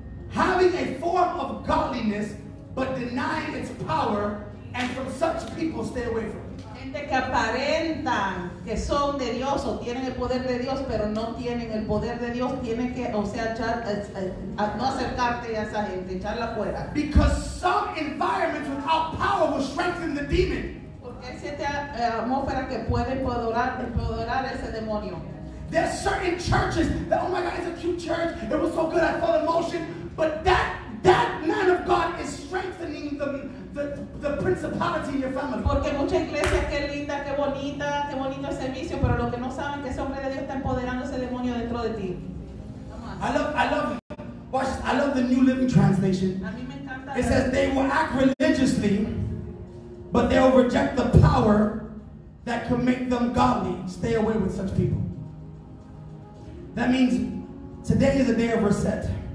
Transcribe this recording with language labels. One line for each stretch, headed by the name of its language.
English: Having a form of godliness, but denying its power, and from such people stay away from it.
Spanish: Gente que aparentan que son de Dios o tienen el poder de Dios, pero no tienen el poder de Dios, tienen que, o sea, no acercarte a esa gente, echarla fuera.
English: Because some environments without power will strengthen the demon.
Spanish: Porque hay cierta atmósfera que puede empoderar ese demonio.
English: There are certain churches that, oh my God, it's a cute church. It was so good, I felt emotion. But that man of God is strengthening the principality in your family.
Spanish: Porque mucha iglesia, qué linda, qué bonito el servicio, pero lo que no saben que ese hombre de Dios está empoderando ese demonio dentro de ti.
English: I love the New Living Translation.
Spanish: A mí me encanta.
English: It says they will act religiously, but they will reject the power that can make them godly. Stay away with such people. That means today is a day of reset.